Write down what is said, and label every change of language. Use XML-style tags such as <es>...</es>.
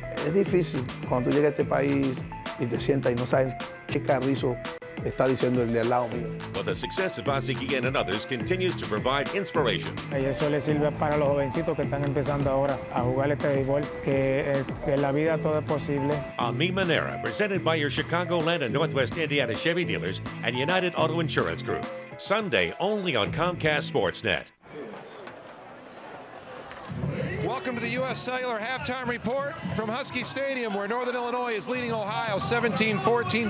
<es>Es difícil cuando llegas a este país y te sientas y no sabes qué carrizo está diciendo el de al lado mío.</es> <en>But the success of Ozzie Guillen and others continues to provide inspiration.</en> <es>Y eso le sirve para los jovencitos que están empezando ahora a jugar este béisbol, que la vida todo es posible.</es> <en>Ami Manera, presented by your Chicagoland and Northwest Indiana Chevy dealers and United Auto Insurance Group. Sunday only on Comcast Sportsnet. Welcome to the U.S. Cellular Halftime Report from Husky Stadium, where Northern Illinois is leading Ohio 17-14.</en>